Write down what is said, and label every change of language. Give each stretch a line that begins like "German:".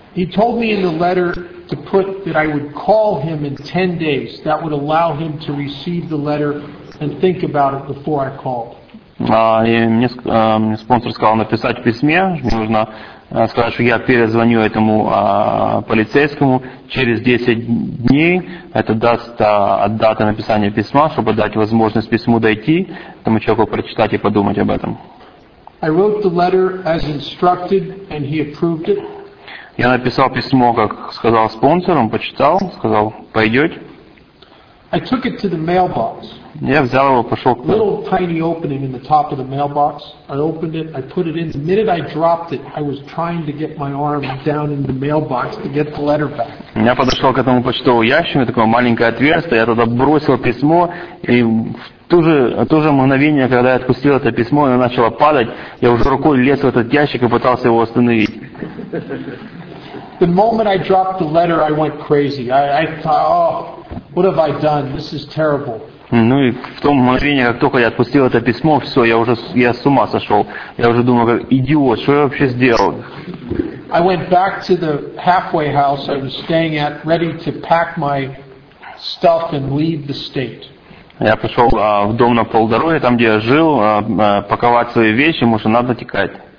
English: He told me in the letter to put that I would call him in 10 days. That would allow him to receive the letter and think about it before I called.
Russian: Мне спонсор сказал написать письме. Мне нужно сказать, что я перезвоню этому полицейскому через 10 дней. Это даст от даты написания письма, чтобы дать возможность письму дойти, этому человеку прочитать и подумать об этом.
English: I wrote the letter as instructed and he approved it.
Russian: Я написал письмо, как сказал спонсор, он почитал, сказал, пойдете.
English: I took it to the mailbox.
Russian: Я взял его, пошел к...
English: Little tiny opening in the top of the mailbox. I opened it, I put it in. The minute I dropped it, I was trying to get my arm down in the mailbox to get the letter back.
Russian: Я подошел к этому почтовому ящику, такое маленькое отверстие, я туда бросил письмо, и в то же мгновение, когда я отпустил это письмо, оно начало падать, я уже рукой лез в этот ящик и пытался его остановить.
English: The moment I dropped the letter, I went crazy. I thought, oh, what have I done? This is terrible.
Russian: Ну и в том мгновении, как только я отпустил это письмо, все, я с ума сошел. Я уже думал, как идиот, что я вообще сделал?
English: I went back to the halfway house I was staying at, ready to pack my stuff and leave the state.
Russian: Я пришел в дом на полдороге, там, где я жил, паковать свои вещи, может, надо текать.